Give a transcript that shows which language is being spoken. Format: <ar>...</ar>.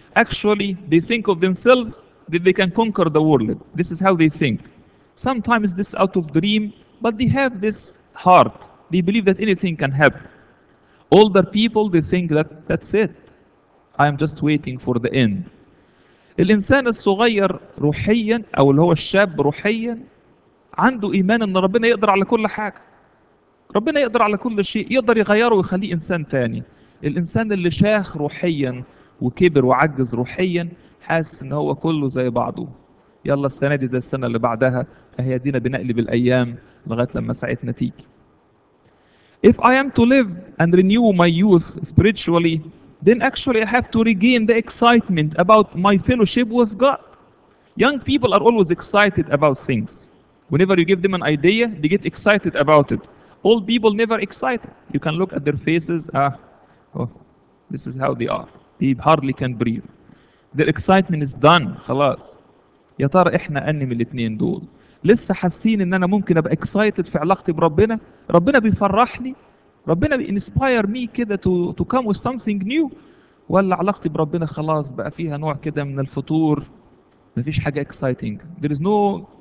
<en>Actually, they think of themselves that they can conquer the world. This is how they think. Sometimes this is out of dream, but they have this heart. They believe that anything can happen. Older people, they think that that's it. I am just waiting for the end.</en> <ar>الإنسان الصغير روحياً أو اللي هو الشاب روحياً عنده إيمان أن ربنا يقدر على كل حاجة، ربنا يقدر على كل شيء، يقدر يغيره ويخليه إنسان تاني. الإنسان اللي شاخ روحياً وكبر وعجز روحياً حاسس أنه هو كله زي بعضه، يلا السنة دي زي السنة اللي بعدها، أهي دينا بنقلب الأيام لغاية لما ساعت نتيجة.</ar> <en>If I am to live and renew my youth spiritually, then actually I have to regain the excitement about my fellowship with God. Young people are always excited about things. Whenever you give them an idea, they get excited about it. Old people never excited. You can look at their faces, this is how they are. They hardly can breathe. Their excitement is done,</en> <ar>خلاص. يا ترى احنا اني من الاثنين دول. لسه حاسين ان انا ممكن ابقى</ar> <en>excited</en> <ar>في علاقتي بربنا؟ ربنا بيفرحني؟ ربنا</ar> <en>inspire me</en> <ar>كده</ar> <en>to come with something new،</en> <ar>ولا علاقتي بربنا خلاص بقى فيها نوع كده من الفتور، مفيش حاجة</ar> <en>exciting. There is no</en>